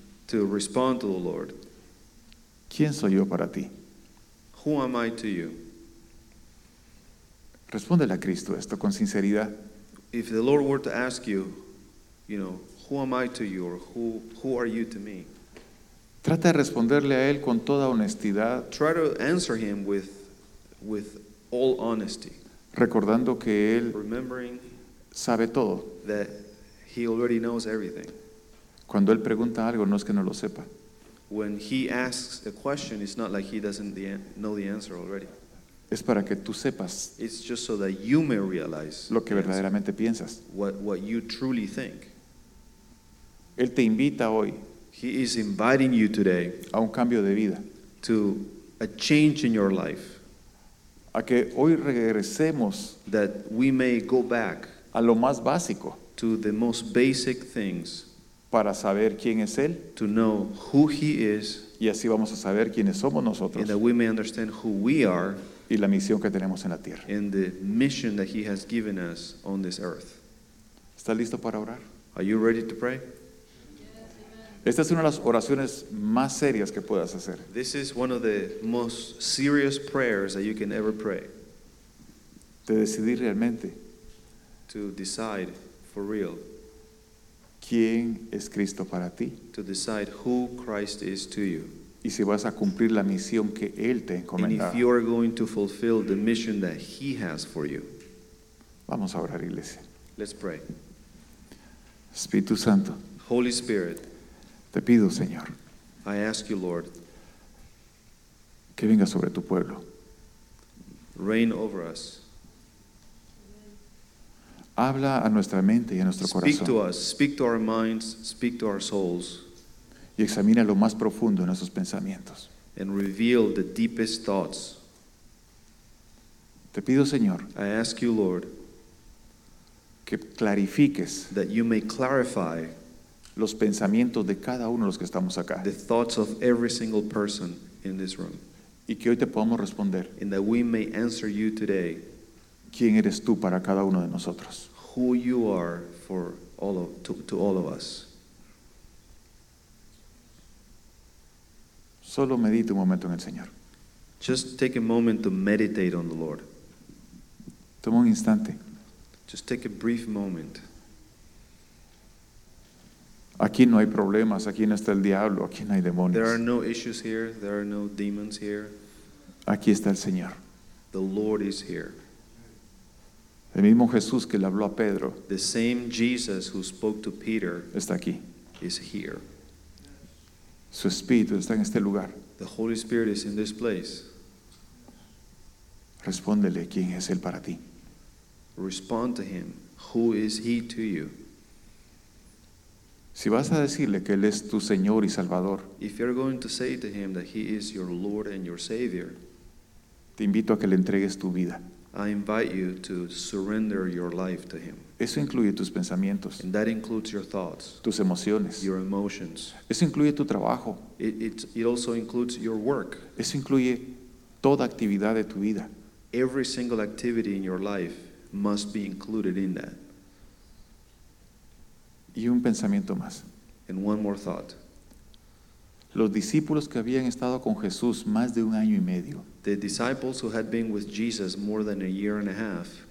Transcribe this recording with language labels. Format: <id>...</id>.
<en>To respond to the Lord.</en> <es>¿Quién soy yo para ti?</es> <en>Who am I to you?</en> <es>Respóndele a Cristo esto con sinceridad.</es> <en>If the Lord were to ask you, you know, who am I to you, or who are you to me?</en> <es>Trata de responderle a él con toda honestidad.</es> <en>Try to answer him with all honesty.</en> <es>Recordando que él</es> <en>remembering</en> <es>sabe todo.</es> <en>That he already knows everything.</en> <es>Cuando él pregunta algo, no es que no lo sepa.</es> <en>When he asks a question, it's not like he doesn't know the answer already.</en> <es>Es para que tú sepas.</es> <en>It's just so that you may realize</en> <es>lo que verdaderamente piensas.</es> <en>What you truly think.</en> <es>Él te invita hoy.</es> <en>He is inviting you today.</en> <es>A un cambio de vida.</es> <en>To a change in your life.</en> <es>A que hoy regresemos.</es> <en>That we may go back.</en> <es>A lo más básico.</es> <en>To the most basic things.</en> <es>Para saber quién es él.</es> <en>To know who he is.</en> <es>Y así vamos a saber quiénes somos nosotros.</es> <en>And that we may understand who we are.</en> <es>Y la misión que tenemos en la tierra.</es> <en>And the mission that he has given us on this earth.</en> <es>¿Está listo para orar?</es> <en>Are you ready to pray?</en> <es>Esta es una de las oraciones más serias que puedas hacer.</es> <en>This is one of the most serious prayers that you can ever pray.</en> <es>De decidir realmente.</es> <en>To decide for real.</en> <es>¿Quién es Cristo para ti?</es> <en>To decide who Christ is to you.</en> <es>Y si vas a cumplir la misión que Él te ha encomendado.</es> <en>And if you are going to fulfill the mission that He has for you.</en> <es>Vamos a orar, iglesia.</es> <en>Let's pray.</en> <es>Espíritu Santo.</es> <en>Holy Spirit.</en> <es>Te pido, Señor.</es> <en>I ask you, Lord.</en> <es>Que venga sobre tu pueblo.</es> <en>Reign over us.</en> <es>Habla a nuestra mente y a nuestro corazón.</es> <en>Speak to us. Speak to our minds. Speak to our souls.</en> <es>Y examina lo más profundo en nuestros pensamientos.</es> <en>And reveal the deepest thoughts.</en> <es>Te pido, Señor.</es> <en>I ask you, Lord.</en> <es>Que clarifiques.</es> <en>That you may clarify.</en> <es>Los pensamientos de cada uno de los que estamos acá.</es> <en>The thoughts of every single person in this room.</en> <es>Y que hoy te podamos responder.</es> <en>And that we may answer you today.</en> <es>¿Quién eres tú para cada uno de nosotros?</es> <en>Who you are for all of, to all of us.</en> <es>Solo medite un momento en el Señor.</es> <en>Just take a moment to meditate on the Lord.</en> <es>Toma un instante.</es> <en>Just take a brief moment.</en> <es>Aquí no hay problemas. Aquí no está el diablo. Aquí no hay demonios.</es> <en>There are no issues here. There are no demons here.</en> <es>Aquí está el Señor.</es> <en>The Lord is here.</en> <es>El mismo Jesús que le habló a Pedro.</es> <en>The same Jesus who spoke to Peter.</en> <es>Está aquí.</es> <en>Is here.</en> <es>Su Espíritu está en este lugar.</es> <en>The Holy Spirit is in this place.</en> <es>Respóndele quién es Él para ti.</es> <en>Respond to Him. Who is He to you?</en> <es>Si vas a decirle que Él es tu Señor y Salvador.</es> <en>If you're going to say to Him that He is your Lord and your Savior.</en> <es>Te invito a que le entregues tu vida.</es> <en>I invite you to surrender your life to him.</en> <es>Eso incluye tus pensamientos.</es> <en>And that includes your thoughts.</en> <es>Tus emociones.</es> <en>Your emotions.</en> <es>Eso incluye tu trabajo.</es> <en>It also includes your work.</en> <es>Eso incluye toda actividad de tu vida.</es> <en>Every single activity in your life must be included in that.</en> <es>Y un pensamiento más.</es> <en>And one more thought.</en> <es>Los discípulos que habían estado con Jesús más de un año y medio.</es> <en>The disciples who had been with Jesus more than a year and a half.</en>